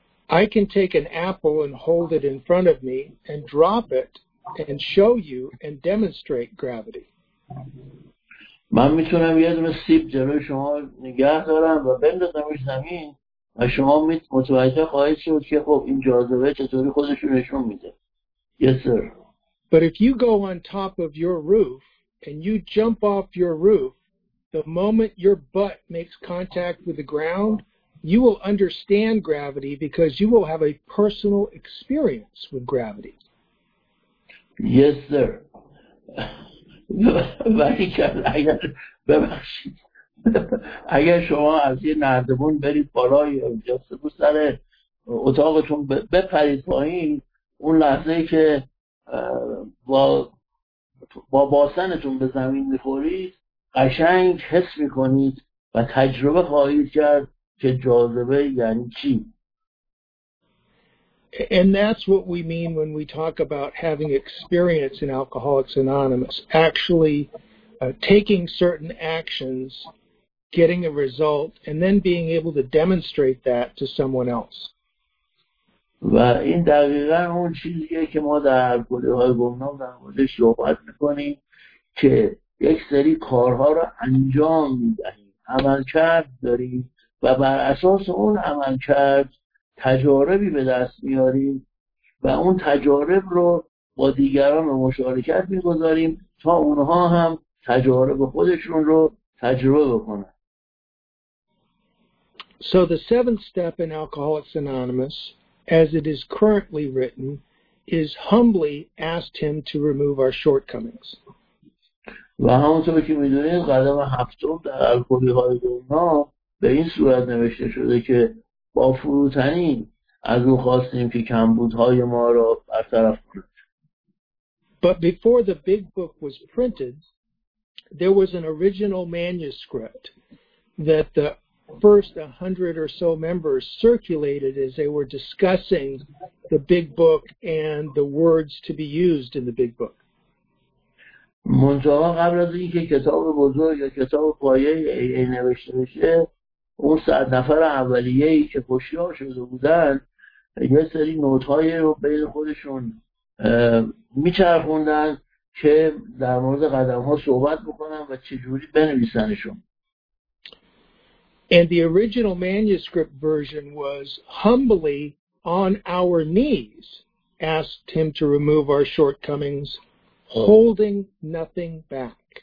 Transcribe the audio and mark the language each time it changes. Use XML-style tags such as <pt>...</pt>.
<en>I can take an apple and hold it in front of me and drop it and show you and demonstrate gravity.</en> <fa>من میتونم یه دونه سیب جلوی شما نگه دارم و بندازمش زمین و شما متوجه خواهید شد که خب این جاذبه چطوری خودش رو نشون میده.</fa> <en>Yes sir. But if you go on top of your roof and you jump off your roof, the moment your butt makes contact with the ground, you will understand gravity because you will have a personal experience with gravity. Yes, sir.</en> <fa>ولی کرد اگر ببخشید اگر شما از یه نردبون برید بالا یا جاست بود سر اتاقتون بپرید پایین، اون لحظه که با باسنتون به زمین میخورید قشنگ حس میکنید و تجربه خواهید کرد که جاذبه یعنی چی.</fa> <en>And that's what we mean when we talk about having experience in Alcoholics Anonymous, actually taking certain actions, getting a result, and then being able to demonstrate that to someone else.</en> <fa>و این دقیقاً اون چیزیه که ما در گروه‌های گمنام در موردش صحبت می‌کنیم که یک سری کارها رو انجام می‌دهیم، عملکرد داریم و بر اساس اون عملکرد تجاربی به دست میاریم و اون تجارب رو با دیگران به مشارکت میگذاریم تا اونها هم تجارب خودشون رو تجربه بکنن.</fa> <en>So the seventh step in Alcoholics Anonymous, as it is currently written, is humbly asked him to remove our shortcomings.</en> <fa>و همونطور که میدونید قدم هفتم در الکلی‌های گمنام به این صورت نوشته شده که با فروتنی از او خواستیم که کمبودهای ما را برطرف کند.</fa> <en>But before the big book was printed, there was an original manuscript that the first 100 or so members circulated as they were discussing the big book and the words to be used in the big book.</en> <fa>منتها قبل از اینکه کتاب بزرگ یا کتاب پایه ای نوشته بشه، اون 100 نفر اولیه‌ای که هوشیار شده بودن یه سری نوت‌های رو بین خودشون میچرخوندن که در مورد قدم‌ها صحبت بکنن و چجوری بنویسنشون.</fa> <en>And the original manuscript version was humbly on our knees asked him to remove our shortcomings holding nothing back.</en>